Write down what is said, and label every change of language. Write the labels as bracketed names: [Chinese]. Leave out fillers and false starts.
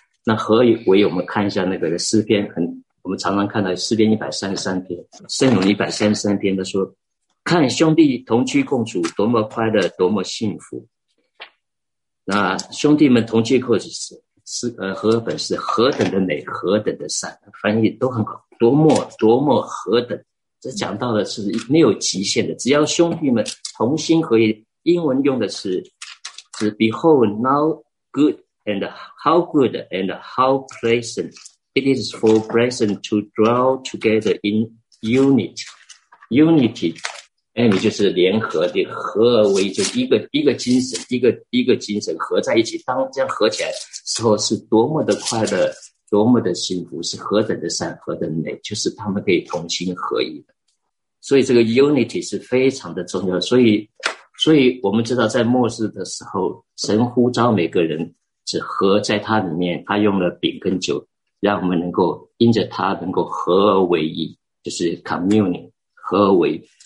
[Chinese] 那合而为一，我们看一下那个诗篇，我们常常看到诗篇133篇，圣咏133篇，他说看兄弟同居共处，多么快乐，多么幸福。那兄弟们同居共处是和本是何等的美，何等的善，翻译都很好，多么多么何等，这讲到的是没有极限的，只要兄弟们同心合一。英文用的是 [English] Behold now good and how good and how pleasant it is for brethren to dwell together in unity. [Chinese] Unity, Amy 就是联合的，合而为就一个精神，一个精神合在一起，当这样合起来时候是多么的快乐，多么的幸福，是何等的善，何等的美，就是他们可以同心合一的。所以这个 unity 是非常的重要的。所以我们知道在末世的时候，神呼召每个人只合在他里面，他用了饼跟酒，让我们能够因着他能够合而为一，就是 communion, 合而为。